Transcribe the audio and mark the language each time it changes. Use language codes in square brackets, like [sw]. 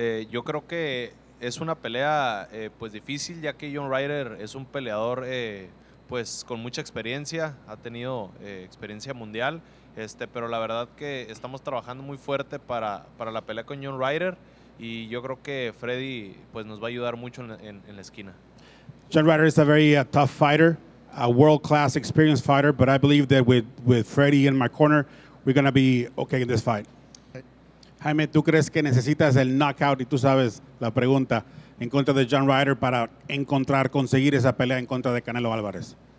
[es] Yo creo que es una pelea pues difícil, ya que John Ryder es un peleador pues con mucha experiencia, ha tenido experiencia mundial, pero la verdad que estamos trabajando muy fuerte para la pelea con John Ryder, y yo creo que Freddy pues nos va a ayudar mucho en la esquina. [en] John Ryder is a very tough fighter, a world-class experienced fighter, but I believe that with Freddy in my corner, we're going to be okay in this fight. [es] Jaime, ¿tú crees que necesitas el knockout? Y tú sabes la pregunta, en contra de John Ryder para encontrar, conseguir esa pelea en contra de Canelo Álvarez.